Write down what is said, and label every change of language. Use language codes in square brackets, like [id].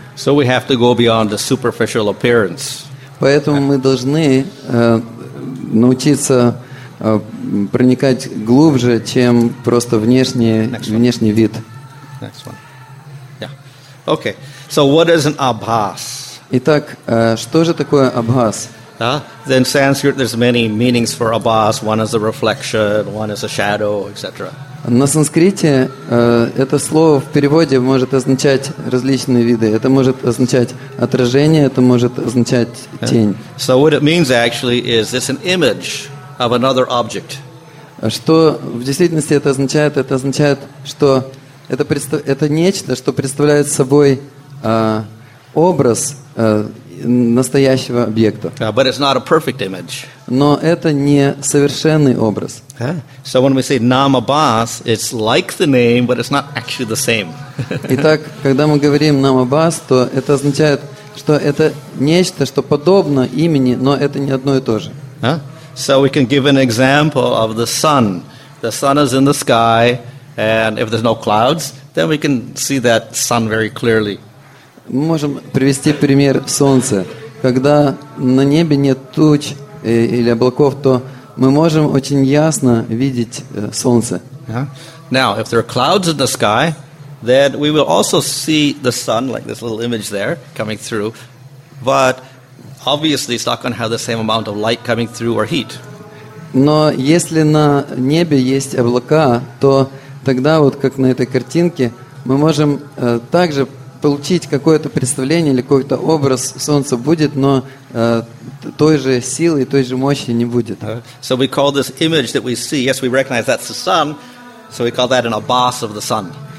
[en] So we have to go beyond the superficial appearance. [ru] Поэтому мы должны научиться проникать глубже, чем просто внешний вид. [en] Next one. Yeah. Okay. So what is an abhas? [ru] Итак, что же такое абхас? [en] In Sanskrit, there's many meanings for abhas. One is a reflection, one is a shadow, etc. [ru] На санскрите это слово в переводе может означать различные виды. Это может означать отражение, это может означать тень. [en] So what it means actually is this an image of another object. [ru] Что в действительности это означает? Это означает, что это нечто, что представляет собой образ настоящего объекта. [en] But it's not a perfect image. [ru] Но это не совершенный образ. [en] So when we say nam abhas, it's like the name, but it's not actually the same. [ru] Итак, когда мы говорим нам абхас, то это означает, что это нечто, что подобно имени, но это не одно и то же. [en] So we can give an example of the sun. The sun is in the sky, and if there's no clouds, then we can see that sun very clearly. [ru] Мы можем привести пример солнца. Когда на небе нет туч или облаков, то мы можем очень ясно видеть солнце. [en] Now, if there are clouds in the sky, then we will also see the sun, like this little image there, coming through. But obviously, it's not going to have the same amount of light coming through or heat. [ru] Но если на небе есть облака, то тогда, вот как на этой картинке, мы можем также получить какое-то представление или какой-то образ солнца будет, но той же силы и той же мощи не будет. [en] So we call this image that we see, yes, we recognize that's the sun, so we call that an abhas of the sun.